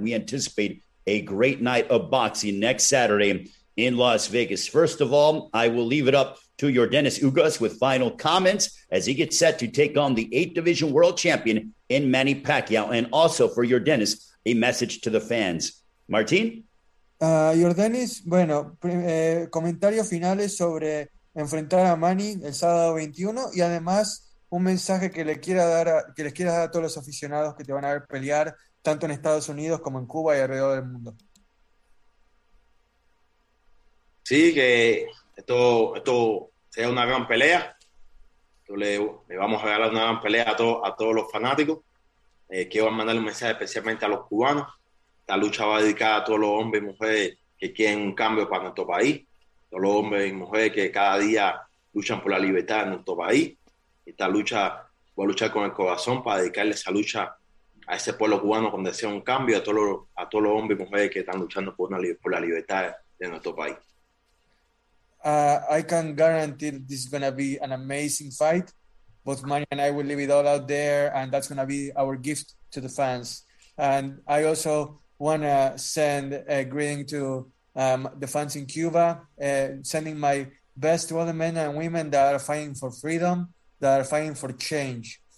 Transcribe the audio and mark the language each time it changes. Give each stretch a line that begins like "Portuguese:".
English: We anticipate a great night of boxing next Saturday in Las Vegas. First of all, I will leave it up to Yordenis Ugas with final comments as he gets set to take on the 8-division world champion in Manny Pacquiao. And also for Yordenis, a message to the fans. Martín.
Spanish: Yordenis, bueno, comentarios finales sobre enfrentar a Manny el sábado 21 y además un mensaje que le quiera dar a, que les quieras dar a todos los aficionados que te van a ver pelear tanto en Estados Unidos como en Cuba y alrededor del mundo. Sí, que esto sea una gran pelea. Le vamos a regalar una gran pelea a todos los fanáticos. Quiero mandarle un mensaje especialmente a los cubanos. Esta lucha va dedicada a todos los hombres y mujeres que quieren un cambio para nuestro país. Todos los hombres y mujeres que cada día luchan por la libertad en nuestro país. Esta lucha, voy a luchar con el corazón para dedicarle esa lucha a ese pueblo cubano con deseo un cambio, a todos los hombres y mujeres que están luchando por la libertad de nuestro país.
English: I can guarantee that this is going to be an amazing fight. Both Manny and I will leave it all out there, and that's going to be our gift to the fans. And I also want to send a greeting to the fans in Cuba, sending my best to all the men and women that are fighting for freedom, that are fighting for change.